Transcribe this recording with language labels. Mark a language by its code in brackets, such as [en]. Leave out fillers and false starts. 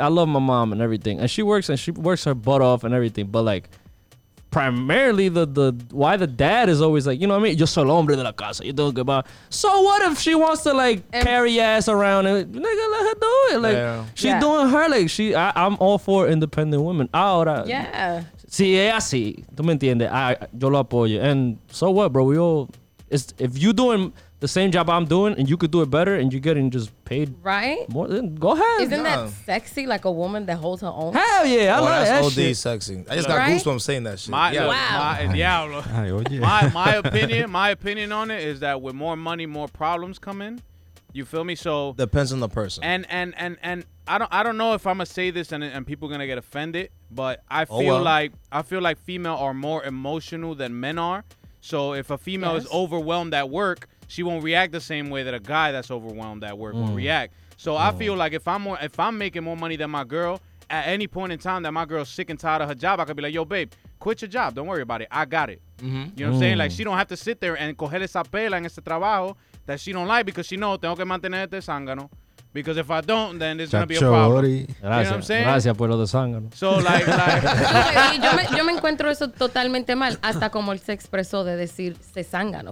[en] I love my mom and everything. And she works her butt off and everything. But like, primarily the why the dad is always like, you know what I mean? [es] Yo soy el hombre de la casa. [en] You doing good, but so what if she wants to like carry ass around and nigga, let her do it. Like she's doing her, like she, I'm all for independent women. [es] Ahora. [en] Yeah. [es] Si es así, tú me entiendes, yo lo apoyo. [en] And so what, bro? We all, it's, if you doing the same job I'm doing and you could do it better and you're getting just paid right more, then go ahead. Isn't that sexy? Like a woman that holds her own? Hell yeah, I love that shit. That's OD sexy. I just got goosebumps saying that shit. My opinion on it is that with more money, more problems come in. You feel me? So depends on the person. And I don't know if I'm gonna say this and people are gonna get offended, but I feel like female are more emotional than men are. So if a female is overwhelmed at work, she won't react the same way that a guy that's overwhelmed at work will react. So I feel like if I'm making more money than my girl, at any point in time that my girl's sick and tired of her job, I could be like, yo, babe, quit your job. Don't worry about it. I got it. Mm-hmm. You know what I'm saying? Like, she don't have to sit there and [es] coger esa pela en ese trabajo [en] that she don't like, because she know, [es] tengo que mantener este sangano. [en] Because if I don't, then it's going to be a problem. You [es] gracias, [en] know what I'm saying? [es] Gracias por lo de sangano. [en] So, like [es] no, yo me encuentro eso totalmente mal, hasta como él se expresó de decir se sangano.